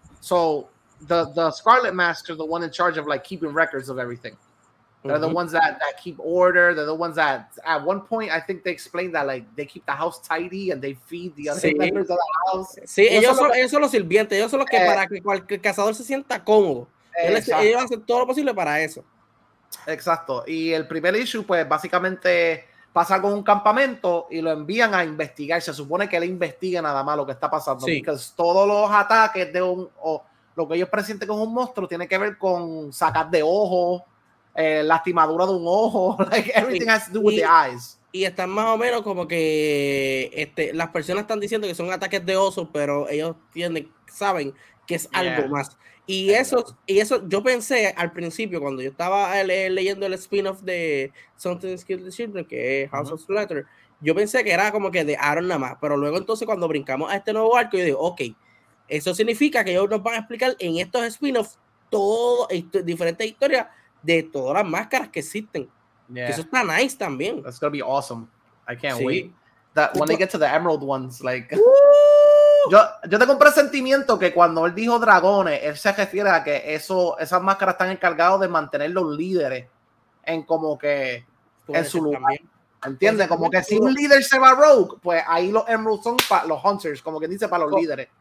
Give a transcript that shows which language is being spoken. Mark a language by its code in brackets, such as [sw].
[en] So the Scarlet Masks are the one in charge of like keeping records of everything. They're the ones that keep order. They're the ones that at one point I think they explained that like they keep the house tidy and they feed the other members of the house. [es] Sí, ellos son los sirvientes, ellos son los que para que cualquier cazador se sienta cómodo. Ellos hacen todo lo posible para eso. Exacto. Y el primer issue, pues básicamente pasa con un campamento y lo envían a investigar. Se supone que él investiga nada más lo que está pasando. Sí. Porque todos los ataques de lo que ellos presenten como un monstruo tiene que ver con sacar de ojo, lastimadura de un ojo. [en] Like everything has to do with the eyes. [es] Y están más o menos como que las personas están diciendo que son ataques de oso, pero ellos saben que es algo más. Y eso, yo pensé al principio, cuando yo estaba leyendo el spin-off de Something Killed the Children, que es House of Slaughter, yo pensé que era como que de Aaron nada más. Pero luego entonces, cuando brincamos a este nuevo arco, yo dije, ok, eso significa que ellos nos van a explicar en estos spin-offs diferentes historias de todas las máscaras que existen. Yeah. Que eso está nice también. [en] That's gonna be awesome. I can't wait. That when they get to the Emerald ones, like... [es] Yo tengo un presentimiento que cuando él dijo dragones, él se refiere a que esas máscaras están encargadas de mantener los líderes en como que en su lugar. También. ¿Entiendes? Pues, como que si un líder se va rogue, pues ahí los Emeralds son para los Hunters, como que dice, para los líderes.